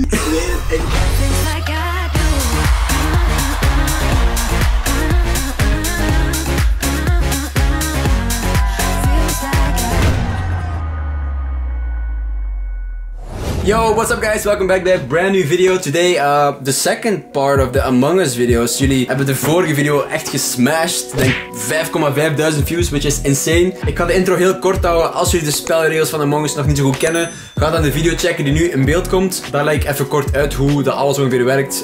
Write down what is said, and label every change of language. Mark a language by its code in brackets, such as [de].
[nl] Ik zweer het echt. [en] Yo, what's up guys? Welcome back [nl] bij een [en] brand new video. Today, the second part of the Among Us videos. [nl] Jullie hebben de vorige video echt gesmashed. Denk 5,5000 views, [en] which is insane. [nl] Ik ga de intro heel kort houden. Als jullie de spelregels van Among Us nog niet zo goed kennen, ga dan de video checken die nu in beeld komt. Daar leg ik even kort uit hoe dat alles ongeveer werkt.